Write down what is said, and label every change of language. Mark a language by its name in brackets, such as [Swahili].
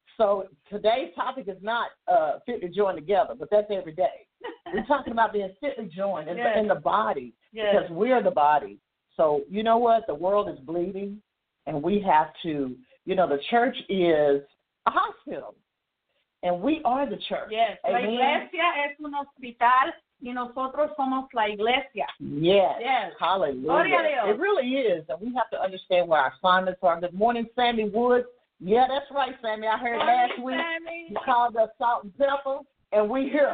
[English] So today's topic is not fit to join together, but that's every day. We're talking about being fit to join in the body because we are the body. So you know what? The world is bleeding, and we have to. You know, the church is a hospital, and we are the church. Yes, amen. [Spanish] La iglesia es un hospital, y nosotros somos la iglesia. [English] Yes. Yes. Hallelujah. [Spanish] Gloria a Dios. [English] It really is, and we have to understand where our assignments are. Good morning, Sammy Woods. Yeah, that's right, Sammy. I heard morning, last week Sammy. You called us salt and pepper, and we're here